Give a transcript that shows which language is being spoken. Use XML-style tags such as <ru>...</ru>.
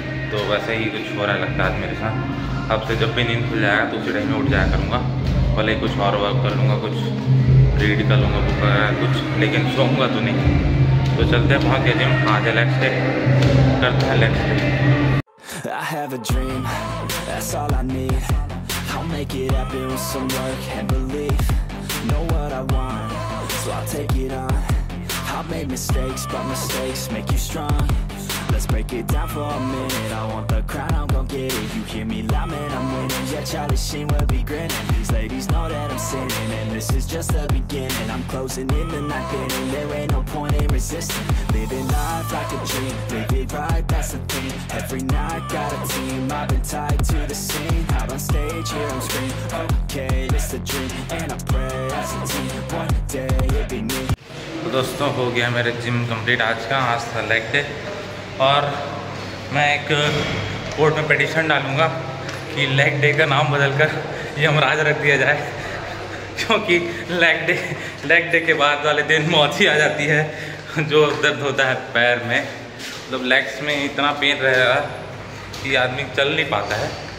<hi>तो वैसे ही कुछ हो रहा है लगता है आज मेरे साथ, अब से जब भी नींद खुल जाएगा तो उसी टाइम में उठ जाया करूँगा, भले कुछ और वर्क कर लूँगा, कुछ रीड कर लूँगा बुक वगैरह कुछ, लेकिन सोऊँगा तो नहीं। तो चलते हैं, पहुँच गया जिम, आज है लेग्स डे, करते हैं legs day.</hi> <en>I have a dream, that's all I need. I'll make it happen with some work and belief. Know what I want, so I'll take it on. I've made mistakes, but mistakes make you strong. Let's break it down for a minute. I want the crown, I'm gon' get it. You hear me loud, man, I'm winning. Yeah, Charlie Sheen will be grinning. These ladies know that I'm sinning, and this is just the beginning. I'm closing in the night, getting there ain't no point in resisting. Living life like a dream, live it right, that's the thing. Every night, got a team, I've been tied to the scene. Out on stage, here on screen, okay, it's a dream. And I pray as a team, one day it be me.</en> <hi>तो दोस्तों, हो गया मेरा gym complete आज का, आज था leg day. और मैं एक कोर्ट में पिटीशन डालूंगा कि लेग डे का नाम बदलकर यमराज रख दिया जाए, क्योंकि लेग डे के बाद वाले दिन मौत ही आ जाती है, जो दर्द होता है पैर में, मतलब लेग्स में इतना पेन रहेगा कि आदमी चल नहीं पाता है।</hi>